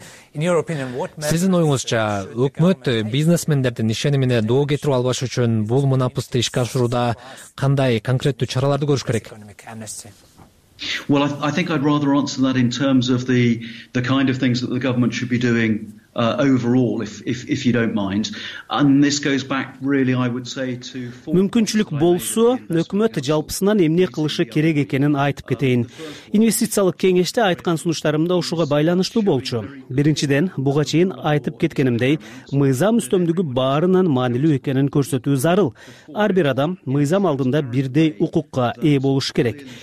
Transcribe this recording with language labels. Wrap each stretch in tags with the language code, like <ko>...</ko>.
<ky>Сиздин оюңузча, өкмөт бизнесмендердин ишенимине доо кетирип албаш үчүн бул мунапысты ишке ашырууда кандай конкреттүү чараларды көрүш керек?</ky> <en>Well, I think I'd rather answer that in terms of the kind of things that the government should be doing overall, if you don't mind. And this goes back, really, I would say, to...</en> <ky>Мүмкүнчүлүк болсо, өкмөт жалпысынан эмне кылышы керек экенин айтып кетейин. Инвестициялык кеңеште айткан сунуштарымда ушуга байланыштуу болчу. Биринчиден, буга чейин айтып кеткенимдей, мыйзам үстөмдүгү баарынан маанилүү экенин көрсөтүү зарыл. Ар бир адам мыйзам алдында бирдей укукка ээ болушу керек.</ky>